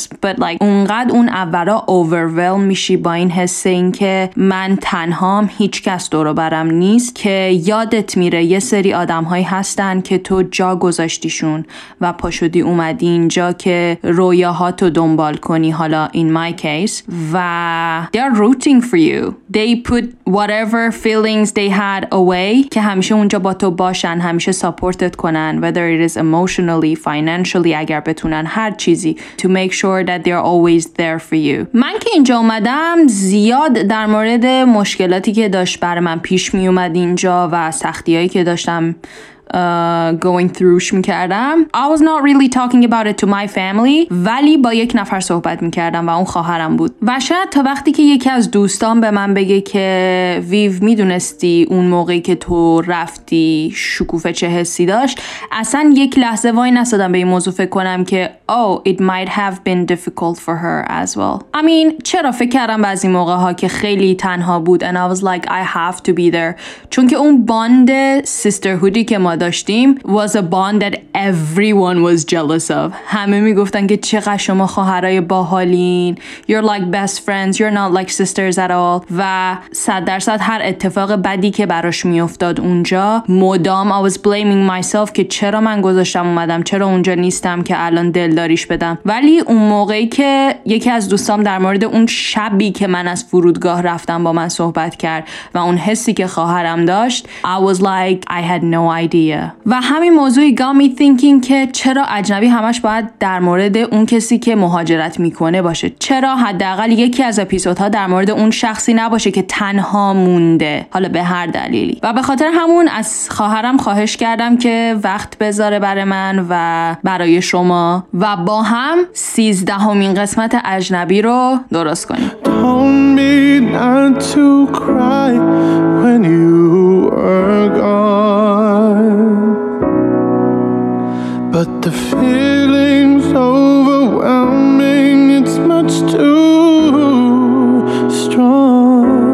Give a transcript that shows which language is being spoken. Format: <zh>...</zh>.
<en>But like</en> <fa>اونقدر اون اولا overwhelm میشی با این حس این که من تنهام، هیچ کس دورو برم نیست، که یادت میره یه سری آدم هایی هستن که تو جا گذاشتیشون و پاشدی اومدی اینجا که رویاهاتو دنبال کنی، حالا</fa> <en>in my case</en> <fa>و</fa> <en>they are rooting for you. They put whatever feelings they had away</en> <fa>که همیشه اونجا با تو باشن، همیشه سپورتت کنن</fa> <en>whether it is emotionally, financially</en> <fa>اگر بتونن هر چیزی</fa> <en>to make sure that they are always there for you.</en> <fa>من که اینجا اومدم زیاد در مورد مشکلاتی که داشت بر من پیش می اومد اینجا و سختی هایی که داشتم</fa> <en>going through</en> <fa>میکردم</fa> <en>I was not really talking about it to my family</en> <fa>ولی با یک نفر صحبت میکردم و اون خواهرم بود و شاید تا وقتی که یکی از دوستان به من بگه که ویو میدونستی اون موقعی که تو رفتی شکوفه چه حسی داشت اصلا یک لحظه وای نستادم به این موضوع فکر کنم که</fa> <en>oh it might have been difficult for her as well. I mean</en> <fa>چرا فکر کردم بعضی موقع ها که خیلی تنها بود</fa> <en>and I was like I have to be there</en> <fa>چون که اون باند sisterhoodی که ما داشتیم</fa> <en>was a bond that everyone was jealous of.</en> <fa>همه میگفتن که چقدر شما خواهرای باحالین.</fa> <en>You're like best friends. You're not like sisters at all.</en> <fa>و 100% هر اتفاق بدی که براش میافتاد اونجا مدام</fa> <en>I was blaming myself</en> <fa>که چرا من گذاشتم اومدم، چرا اونجا نیستم که الان دلداریش بدم. ولی اون موقعی که یکی از دوستام در مورد اون شبی که من از فرودگاه رفتم با من صحبت کرد و اون حسی که خواهرم داشت</fa> <en>I was like I had no idea.</en> <fa>و همین موضوعی</fa> <en>got me thinking</en> <fa>که چرا اجنبی همش باید در مورد اون کسی که مهاجرت میکنه باشه، چرا حداقل یکی از اپیزودها در مورد اون شخصی نباشه که تنها مونده حالا به هر دلیلی. و به خاطر همون از خواهرم خواهش کردم که وقت بذاره برای من و برای شما و با هم 13th قسمت اجنبی رو درست کنیم.</fa> <en>Told me not to cry when you are gone, but the feeling's overwhelming, it's much too strong.</en>